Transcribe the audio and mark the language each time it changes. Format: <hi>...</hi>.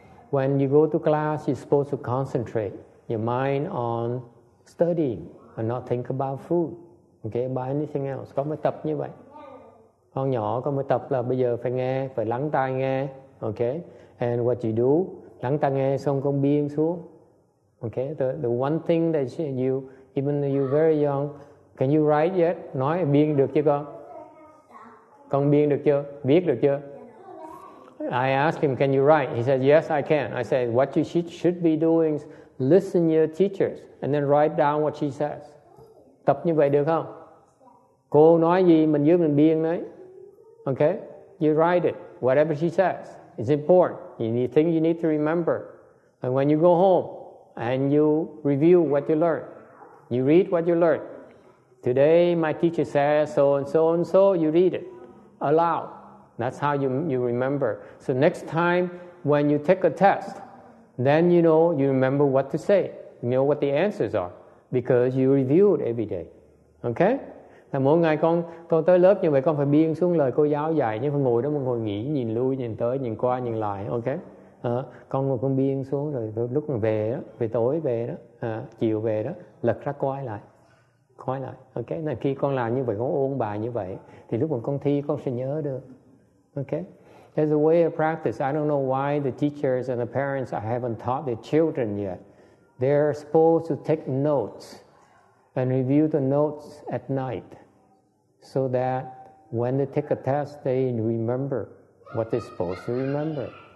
<en>When you go to class, you're supposed to concentrate your mind on studying and not think about food. Okay, about anything else.</en> <vi>Con mới tập như vậy. Con nhỏ con mới tập là bây giờ phải nghe, phải lắng tai nghe. Okay.</vi> <en>And what you do,</en> <vi>lắng tai nghe xong con biên xuống.</vi> <en>Okay, the one thing that you, even though you're very young, can you write yet?</en> <vi>Nói biên được chưa con? Con biên được chưa? Viết được chưa?</vi> <en>I asked him, can you write? He said, yes, I can. I said, what you should be doing is listen to your teachers and then write down what she says.</en> <vi>Tập như vậy được không? Cô nói gì mình giữ mình biên đấy.</vi> <en>Okay, you write it, whatever she says. It's important. You need things you need to remember. And when you go home, and you review what you learn. You read what you learn. Today, my teacher says so and so and so. You read it aloud. That's how you remember. So next time when you take a test, then you know you remember what to say. You know what the answers are because you review it every day. Okay?</en> <vi>Thì mỗi ngày con tới lớp như vậy, con phải biên xuống lời cô giáo dạy, nhưng phải ngồi đó, ngồi nghỉ, nhìn lui, nhìn tới, nhìn qua, nhìn lại. Okay? Con ngồi con biên xuống rồi lúc mà về đó, về tối về đó, chiều về đó, lật ra coi lại. Ok, này khi con làm như vậy, con ôn bài như vậy, thì lúc mà con thi con sẽ nhớ được.</vi> <en>Ok, there's a way of practice. I don't know why the teachers and the parents haven't taught their children yet. They're supposed to take notes and review the notes at night so that when they take a test, they remember what they're supposed to remember.</en>